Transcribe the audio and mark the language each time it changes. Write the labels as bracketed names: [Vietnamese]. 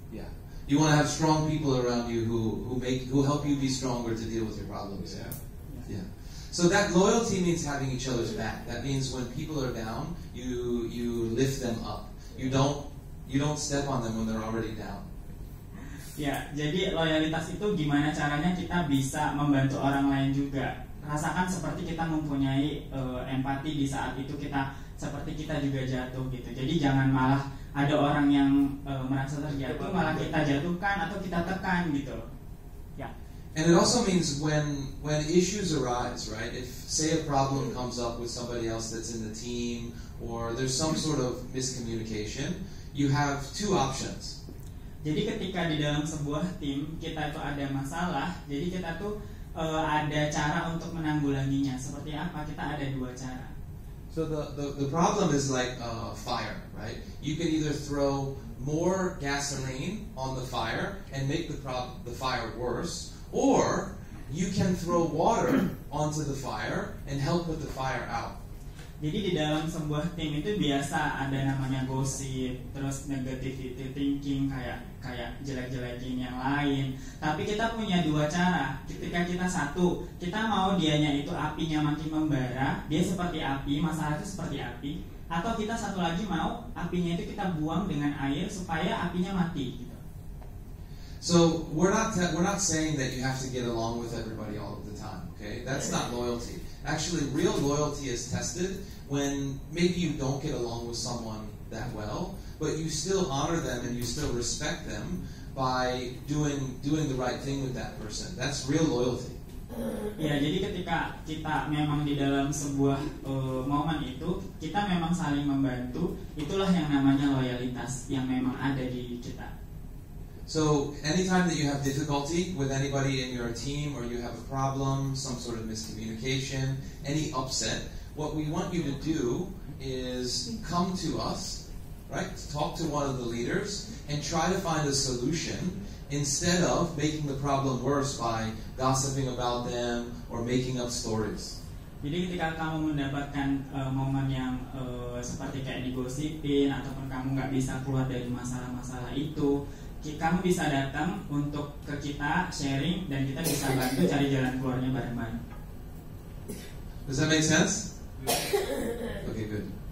[English] Yeah, you want to have strong people around you who help you be stronger to deal with your problems. Yeah. Yeah. So that loyalty means having each other's back. That means when people are down, you lift them up. You don't step on them when they're already down. Yeah. [Indonesian] Jadi loyalitas itu gimana caranya kita bisa membantu orang lain juga. Rasakan seperti kita mempunyai empati di saat itu kita seperti kita juga jatuh gitu. Jadi jangan malah ada orang yang merasa terjatuh malah kita jatuhkan atau kita tekan gitu. Ya. [English] And it also means when issues arise, right? If say a problem comes up with somebody else that's in the team or there's some sort of miscommunication, you have two options. [Indonesian] Jadi ketika di dalam sebuah tim kita itu ada masalah, jadi kita tuh ada cara untuk menanggulanginya. Seperti apa? Kita ada dua cara. [English] So the problem is like a fire, right? You can either throw more gasoline on the fire and make the fire worse, or you can throw water onto the fire and help put the fire out. [Indonesian] Jadi di dalam sebuah tim itu biasa ada namanya gosip, terus [English] negativity thinking, [Indonesian] kayak jelek-jelekin yang lain. Tapi kita punya dua cara. Ketika kita satu, kita mau dianya itu apinya makin membara, dia seperti api, masalah itu seperti api. Atau kita satu lagi mau apinya itu kita buang dengan air supaya apinya mati. Gitu. [English] So we're not saying that you have to get along with everybody all of the time. Okay, that's not loyalty. Actually, real loyalty is tested when maybe you don't get along with someone that well, but you still honor them and you still respect them by doing the right thing with that person. That's real loyalty. [Indonesian] Ya, jadi ketika kita memang di dalam sebuah momen itu, kita memang saling membantu, itulah yang namanya loyalitas yang memang ada di kita. [English] So anytime that you have difficulty with anybody in your team, or you have a problem, some sort of miscommunication, any upset, what we want you to do is come to us, right? Talk to one of the leaders and try to find a solution instead of making the problem worse by gossiping about them or making up stories. [Indonesian] Jadi ketika kamu mendapatkan momen yang seperti kayak digosipin ataupun kamu nggak bisa keluar dari masalah-masalah itu, kamu bisa datang untuk ke kita sharing dan kita bisa bantu cari jalan keluarnya bareng-bareng. [English] Does that make sense? Okay, good.